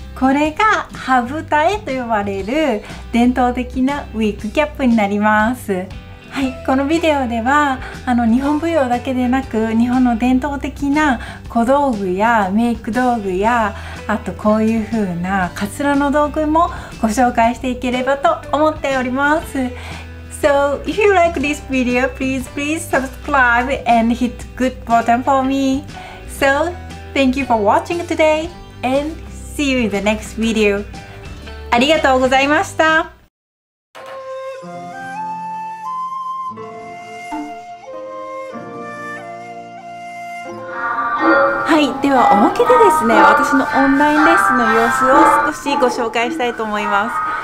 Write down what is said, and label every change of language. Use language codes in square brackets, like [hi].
[ja] これが歯ぶたえと呼ばれる伝統的なウィッグキャップになります。はい、このビデオでは日本舞踊だけでなく日本の伝統的な小道具やメイク道具やあとこういう風なカツラの道具もご紹介していければと思っております。 [en] So if you like this video, please please subscribe and hit good button for me. So thank you for watching today and see you in the next video. [ja] ありがとうございました。はい、ではおまけでですね、私のオンラインレッスンの様子を少しご紹介したいと思います。